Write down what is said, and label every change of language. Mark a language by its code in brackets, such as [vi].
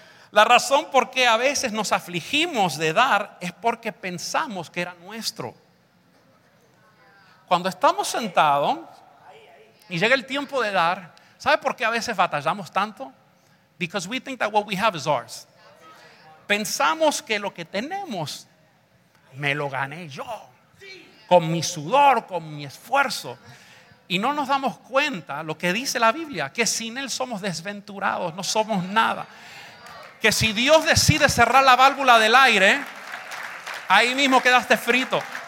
[es] La razón por qué a veces nos afligimos de dar es porque pensamos que era nuestro. Cuando estamos sentados y llega el tiempo de dar, ¿sabe por qué a veces batallamos tanto? [en] Because we think that what we have is ours. [es] Pensamos que lo que tenemos me lo gané yo, con mi sudor, con mi esfuerzo. Y no nos damos cuenta lo que dice la Biblia, que sin Él somos desventurados, no somos nada. Que si Dios decide cerrar la válvula del aire, ahí mismo quedaste frito.